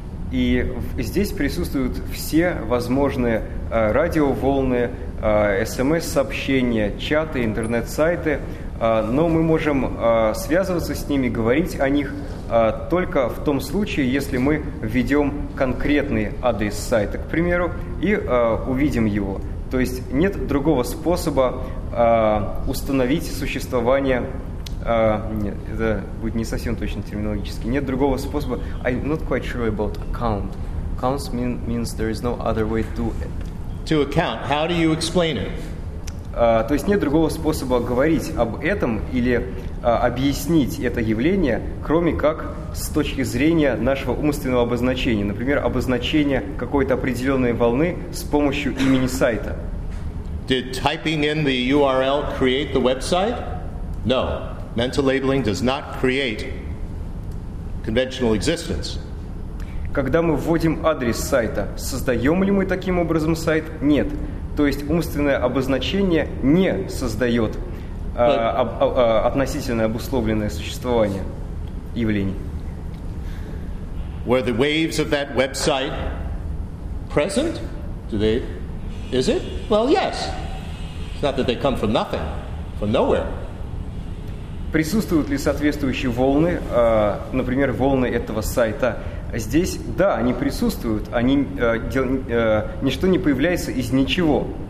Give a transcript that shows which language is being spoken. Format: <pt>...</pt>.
<ru>И здесь присутствуют все возможные радиоволны, СМС-сообщения, чаты, интернет-сайты, но мы можем связываться с ними, говорить о них только в том случае, если мы введем конкретный адрес сайта, к примеру, и увидим его. То есть нет другого способа установить существование. Это будет не совсем точно терминологически. Нет другого способа.</ru> <en>I'm not quite sure about account. Accounts means there is no other way to it. To account. How do you explain it?</en> <ru>То есть нет другого способа говорить об этом или объяснить это явление, кроме как с точки зрения нашего умственного обозначения. Например, обозначение какой-то определенной волны с помощью имени сайта.</ru> <en>Did typing in the URL create the website? No. Mental labeling does not create conventional existence.</en> <ru>Когда мы вводим адрес сайта, создаем ли мы таким образом сайт? Нет. То есть умственное обозначение не создает относительно обусловленное существование явлений.</ru> <en>Were the waves of that website present? Do they? Is it? Well, yes. It's not that they come from nothing, from nowhere.</en> <ru>Присутствуют ли соответствующие волны, например, волны этого сайта? Здесь, да, они присутствуют, они ничто не появляется из ничего.</ru>